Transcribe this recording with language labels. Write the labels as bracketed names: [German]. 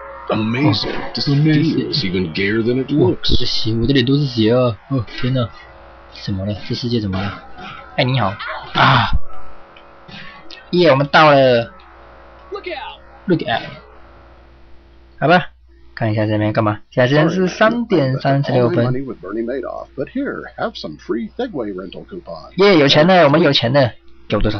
[English] Amazing, this feels even gayer than it looks. [Chinese] 我的血，我的脸都是血啊！哦，天哪！怎么了？这世界怎么了？哎、欸，你好啊！耶、yeah, ，我们到了。 [English] look at。 [Chinese] 好吧，看一下这边干嘛？现在是3:36。 [English] Money with Bernie Madoff, but here have some free Segway rental coupon. [Chinese] 耶，有钱的，我们有钱的，给我多少？